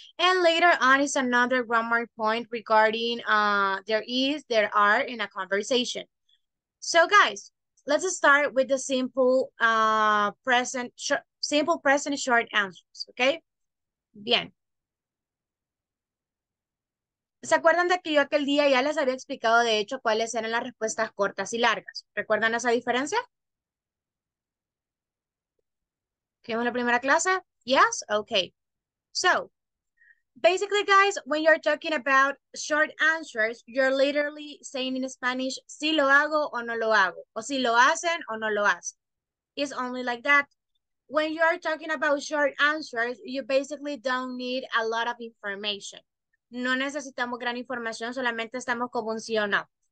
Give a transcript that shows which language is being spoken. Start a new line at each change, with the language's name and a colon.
English: And later on is another grammar point regarding there is, there are in a conversation. So, guys, let's start with the simple present short answers, okay?
Spanish: Bien. ¿Se acuerdan de que yo aquel día ya les había explicado de hecho cuáles eran las respuestas cortas y largas? ¿Recuerdan esa diferencia? ¿Vimos la primera clase?
English: Yes, okay. So, basically, guys, when you're talking about short answers, you're literally saying in Spanish,
Spanish: si lo hago o no lo hago, o si lo hacen
English: o no lo hacen. It's only like that. When you are talking about short answers, you basically don't need a lot of information.
Spanish: No necesitamos gran información, solamente estamos como un sí o no.